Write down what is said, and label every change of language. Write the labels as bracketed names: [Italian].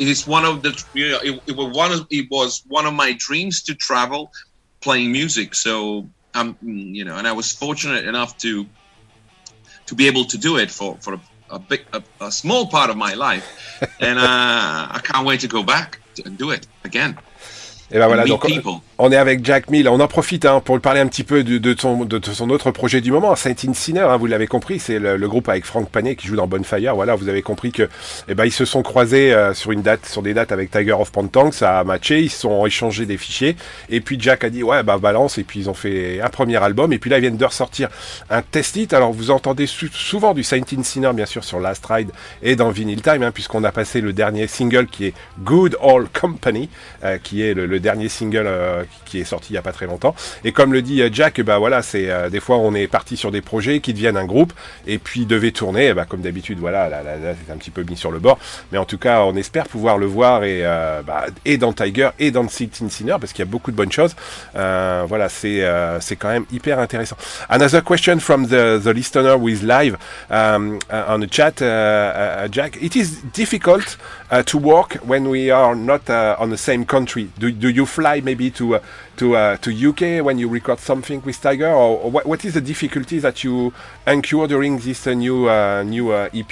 [English] It was one of my dreams to travel playing music. So and I was fortunate enough to be able to do it for a small part of my life, and I can't wait to go back and do it again. [French] Et ben voilà, donc on est avec Jack Mill. On en profite hein, pour parler un petit peu de son autre projet du moment, Saint in Sinner. Hein, vous l'avez compris, c'est le groupe avec Frank Panet qui joue dans Bonfire. Voilà, vous avez compris que ils se sont croisés sur des dates avec Tiger of Pantang, ça a matché. Ils se sont échangés des fichiers et puis Jack a dit ouais bah balance, et puis ils ont fait un premier album et puis là ils viennent de ressortir un test it. Alors vous entendez souvent du Saint in Sinner bien sûr sur Last Ride et dans Vinyl Time hein, puisqu'on a passé le dernier single qui est Good Old Company qui est le dernier single qui est sorti il n'y a pas très longtemps. Et comme le dit Jack, des fois on est parti sur des projets qui deviennent un groupe et puis devait tourner. Et comme d'habitude, voilà, là c'est un petit peu mis sur le bord. Mais en tout cas, on espère pouvoir le voir et dans Tiger et dans Saint in Sinner parce qu'il y a beaucoup de bonnes choses. C'est quand même hyper intéressant. [English] Another question from the listener who is live on the chat, Jack. It is difficult to work when we are not on the same country. Do you fly maybe to UK when you record something with Tiger, or what is the difficulty that you incur during this new EP?